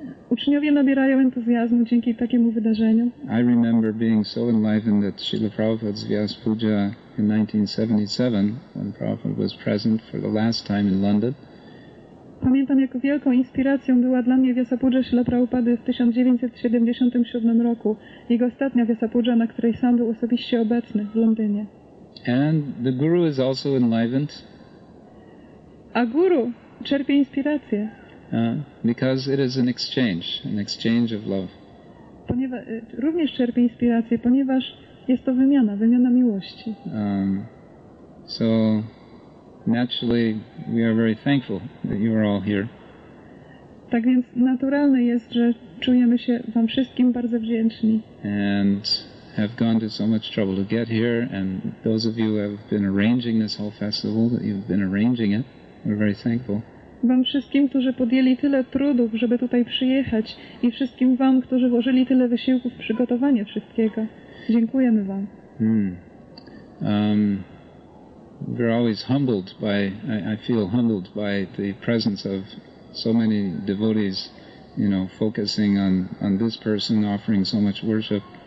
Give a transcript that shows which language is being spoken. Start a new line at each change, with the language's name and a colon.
Polish: Uczniowie nabierają entuzjazmu dzięki takiemu wydarzeniu.
English: I remember being so enlivened that Srila Prabhupada's Vyas Puja in 1977, when Prabhupada was present for the last time in London.
Polish: Pamiętam, jak wielką inspiracją była dla mnie Vyasa Puja Srila Prabhupady w 1977 roku, jego ostatnia Vyasa Puja, na której sam był osobiście obecny w Londynie.
English: And the guru is also enlivened.
Polish: A guru czerpie inspirację.
English: Because it is an exchange of love.
Polish: Również czerpie inspirację, ponieważ jest to wymiana miłości.
English: So naturally we are very thankful that you are all here.
Polish: Tak więc naturalne jest, że czujemy się wam wszystkim bardzo wdzięczni.
English: And have gone to so much trouble to get here, and those of you who have been arranging this whole festival, that you've been arranging it, we're very thankful.
Polish: Wam wszystkim, którzy podjęli tyle trudów, żeby tutaj przyjechać, i wszystkim wam, którzy włożyli tyle wysiłków w przygotowanie wszystkiego. Dziękujemy wam.
English: We're always humbled by, I feel humbled by the presence of so many devotees, you know, focusing on this person, offering so much worship.